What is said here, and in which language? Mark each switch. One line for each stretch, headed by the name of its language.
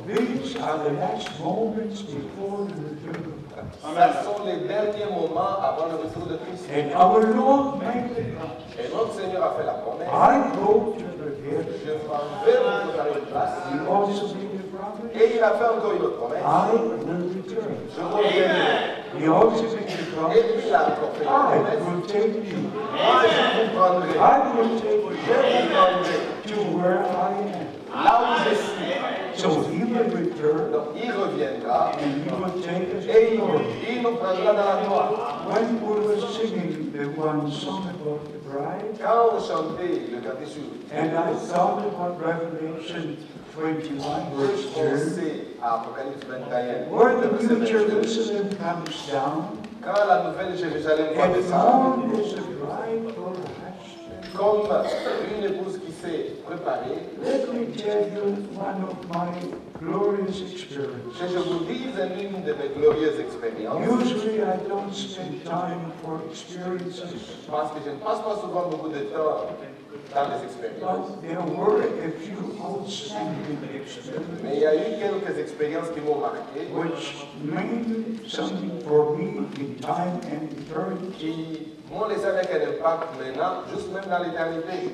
English: These are the last moments before the return.
French: Ce sont les derniers moments avant le retour de Christ.
English: And our Lord
French: et notre Seigneur a fait la promesse.
English: I go to prepare.
French: Je m'en vais pour vous donner une place.
English: He also made the promise.
French: Et il a fait encore une autre promesse.
English: I will return.
French: Je reviendrai.
English: He also made the promise.
French: Et puis il a encore fait la promesse.
English: I will take you.
French: Je vous prendrai.
English: I will take you.
French: Je vous prendrai.
English: To where I am.
French: Là où je suis.
English: So he will return.
French: Donc, il reviendra.
English: And he will take us.
French: Et il nous prendra dans la gloire.
English: When we were singing the one song about the bride,
French: quand on chantait le catéchisme,
English: and I thought about Revelation 21, verse 10, where the new Jerusalem comes down,
French: quand la nouvelle Jérusalem va descendre,
English: is a bride for the
French: comme une épouse qui s'est préparée.
English: Let me tell you one of my glorious experiences.
French: Que je vous dise une de mes glorieuses expériences.
English: Usually I don't spend time for experiences.
French: Parce que je ne passe pas souvent beaucoup de temps dans les expériences.
English: But there were a few outstanding experiences.
French: Mais il y a eu quelques expériences qui m'ont marqué.
English: Which meant something for me in time and eternity.
French: M'ont laissé avec un impact maintenant, juste même dans l'éternité.